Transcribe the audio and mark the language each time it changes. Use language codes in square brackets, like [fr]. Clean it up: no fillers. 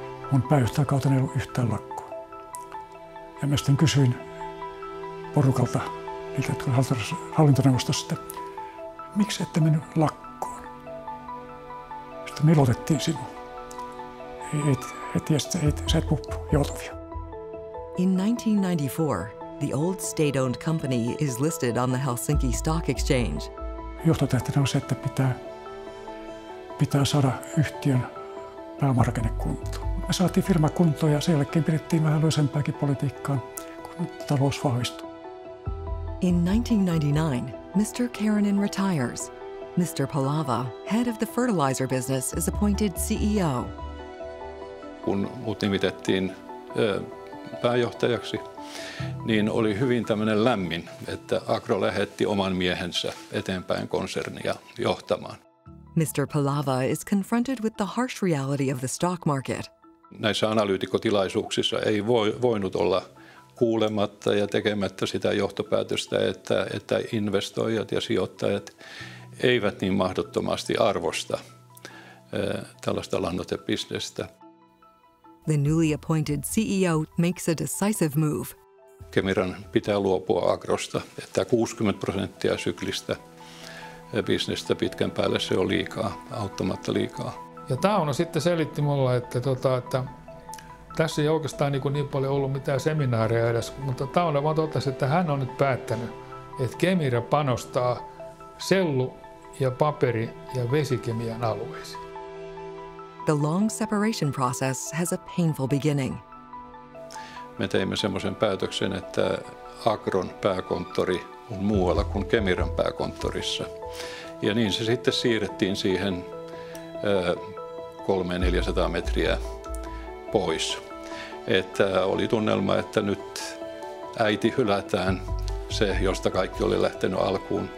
[fi] Mun pääjohtajan kautta ei ollut yhtään lakkoa. Ja mä sitten kysyin porukalta, niitä, jotka hallintoneuvostossa, että miksi ette mennyt lakkoon? Sitten me ilotettiin sinua. Sä et puhu joutuvia. [en] In 1994, the old state-owned company is listed on the Helsinki Stock Exchange. [fi] Johtotähtenä on se, että pitää pitää saada yhtiön pääomarakenne kuntoon. Me saatiin firma kuntoon ja sen jälkeen pidettiin vähän löysempääkin politiikkaan, kun talous vahvistui. [en] In 1999, Mr. Karenin retires. Mr. Palava, head of the fertilizer business, is appointed CEO. [fi] Kun mut nimitettiin pääjohtajaksi, niin oli hyvin tämmöinen lämmin, että Agro lähetti oman miehensä eteenpäin konsernia johtamaan. [en] Mr. Palava is confronted with the harsh reality of the stock market. [fi] Näissä analyytikkotilaisuuksissa ei voinut olla kuulematta ja tekemättä sitä johtopäätöstä, että investoijat ja sijoittajat eivät niin mahdottomasti arvosta tällaista lannoitebisnestä. [en] The newly appointed CEO makes a decisive move. [fi] Kemiran pitää luopua Agrosta, että 60% syklistä bisnestä pitkän päälle se on liikaa, auttamatta liikaa. Ja Tauno sitten selitti mulle, että tässä ei oikeastaan niin paljon ollut mitään seminaaria edes, mutta Tauno vaan totesi, että hän on nyt päättänyt, että Kemira panostaa sellu- ja paperi- ja vesikemian alueisiin. [en] The long separation process has a painful beginning. [fi] Me teimme semmoisen päätöksen, että Agron pääkonttori on muualla kuin Kemiran pääkonttorissa. Ja niin se sitten siirrettiin siihen 300-400 metriä pois. Että oli tunnelma, että nyt äiti hylätään, se josta kaikki oli lähtenyt alkuun.